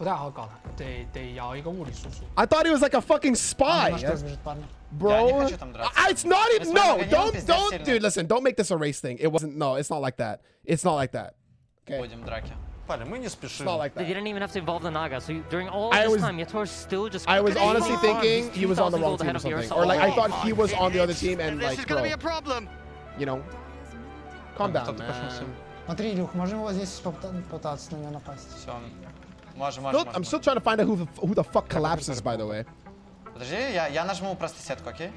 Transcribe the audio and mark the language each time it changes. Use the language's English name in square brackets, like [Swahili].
[English] I thought he was like a fucking spy. Bro. It's not even. No. Don't. Dude, listen. Don't make this a race thing. It wasn't. No, it's not like that. It's not like that. Okay. They didn't even have to involve the Naga. So during all this time, Yator still just. I was honestly thinking he was on the wrong team or something. Or like, I thought he was on the other team and like. This is gonna be a problem. You know. Calm down, man. [Russian] Смотри, Илюх, можем вот здесь попытаться на него напасть. Все, можем. [English] I'm still trying to find out who the fuck collapses, by the way. [Russian] Подожди, я нажму просто сетку, окей?